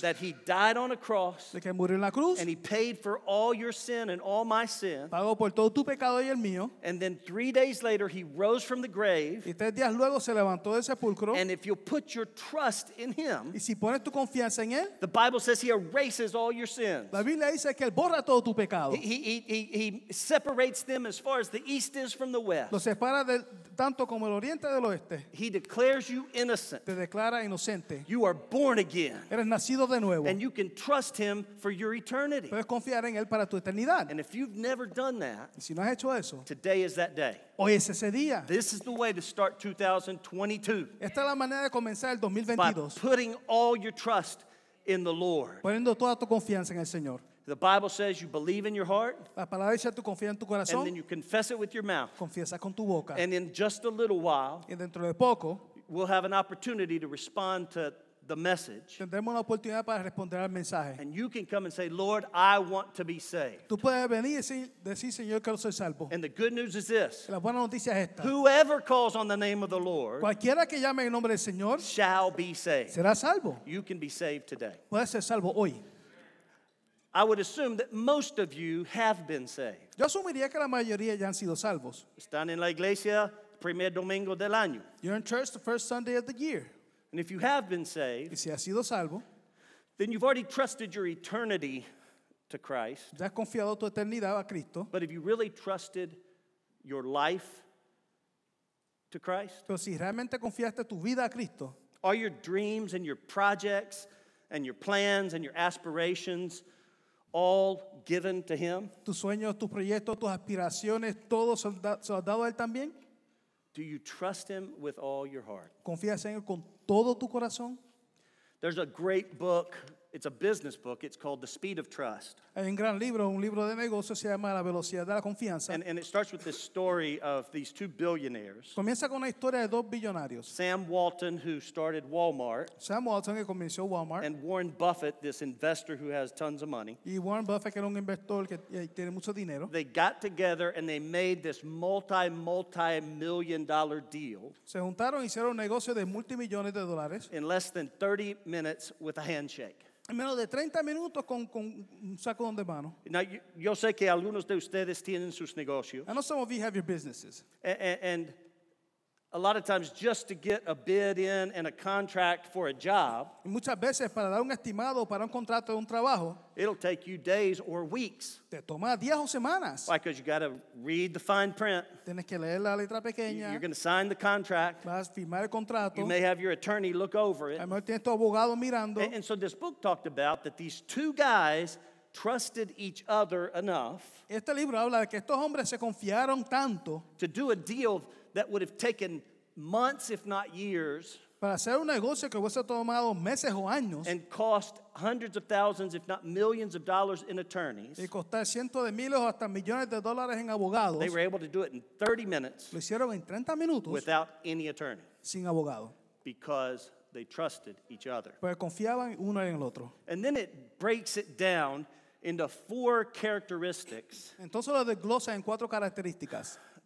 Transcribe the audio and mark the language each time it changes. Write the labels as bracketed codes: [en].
[en] That he died on a cross. [es] De que murió en la cruz. [en] And he paid for all your sin and all my sin. [es] Pagó por todo tu pecado y el mío. [en] And then 3 days later he rose from the grave. [es] Y 3 días luego se levantó del sepulcro. [en] And if you put your trust in him. [es] Y si pones tu confianza en él. [en] The Bible says he erases all your sins. [es] La Biblia dice que él borra todo tu pecado. [en] He separates them as far as the east is from the west. [es] Lo separa tanto como el oriente del oeste. [en] He declares you innocent. [es] Te declara inocente. [en] You are born again. [es] Eres nacido de nuevo. [en] And you can trust him for your eternity. [es] Puedes confiar en él para tu eternidad. [en] And if you've never done that, [es] y si no has hecho eso, [en] today is that day. [es] Hoy es ese día. [en] This is the way to start 2022. [es] Esta es la manera de comenzar el 2022. [en] By putting all your trust in the Lord. [es] Poniendo toda tu confianza en el Señor. [en] The Bible says you believe in your heart. [es] La palabra dice tú confías en tu corazón. [en] And then you confess it with your mouth. [es] Confiesa con tu boca. [en] And in just a little while, [es] y dentro de poco, [en] we'll have an opportunity to respond to the message. [es] Tendremos la oportunidad para responder al mensaje. [en] And you can come and say, Lord, I want to be saved. [es] Tú puedes venir y decir, Señor, quiero ser salvo. [en] And the good news is this. [es] La buena noticia es esta. [en] Whoever calls on the name of the Lord, [es] cualquiera que llame en el nombre del Señor, [en] shall be saved. [es] Será salvo. [en] You can be saved today. [es] Puedes ser salvo hoy. [en] I would assume that most of you have been saved. [es] Yo asumiría que la mayoría ya han sido salvos. Están en la iglesia el primer domingo del año. [en] You're in church the first Sunday of the year. And if you have been saved, [es] y si has sido salvo, [en] then you've already trusted your eternity to Christ. [es] Ya has confiado tu eternidad a Cristo. [en] But if you really trusted your life to Christ, [es] pero si realmente confiaste tu vida a Cristo, [en] are your dreams and your projects and your plans and your aspirations all given to him? [es] Tus sueños, tus proyectos, tus aspiraciones, todo se ha dado a él también. [en] Do you trust him with all your heart? [es] ¿Confías en él con todo tu corazón? [en] There's a great book. It's a business book. It's called The Speed of Trust. [es] Hay un gran libro, un libro de negocios, se llama La Velocidad de la Confianza. [en] And it starts with the story of these two billionaires. [es] Comienza con la historia de dos billonarios. [en] Sam Walton, who started Walmart. [es] Sam Walton, que comenzó Walmart. [en] And Warren Buffett, this investor who has tons of money. [es] Y Warren Buffett, que era un inversor que tiene mucho dinero. [en] They got together and they made this multi-million-dollar deal. [es] Se juntaron y hicieron un negocio de multimillones de dólares. [en] In less than 30 minutes with a handshake. [es] Menos de 30 minutos con un saco de mano. Now, yo sé que algunos de ustedes tienen sus negocios. [en] I know some of you have your businesses. And a lot of times just to get a bid in and a contract for a job. [es] Y muchas veces para dar un estimado para un contrato de un trabajo. [en] It'll take you days or weeks. [es] Te toma días o semanas. [en] Why? Because you got to read the fine print. [es] Tienes que leer la letra pequeña. [en] You're going to sign the contract. [es] Vas a firmar el contrato. [en] You may have your attorney look over it. [es] A lo mejor tienes tu abogado mirando. [en] And so this book talked about that these two guys trusted each other enough. [es] Este libro habla de que estos hombres se confiaron tanto. [en] To do a deal that would have taken months, if not years. [es] Para hacer un negocio que hubiese tomado meses o años. [en] And cost hundreds of thousands, if not millions of dollars in attorneys. [es] Y costar cientos de miles o hasta millones de dólares en abogados. [en] They were able to do it in 30 minutes. [es] Lo hicieron en 30 minutos. [en] Without any attorney. [es] Sin abogado. [en] Because they trusted each other. [es] Porque confiaban uno en el otro. [en] And then it breaks it down into four characteristics. [es] Entonces lo desglosa en cuatro características.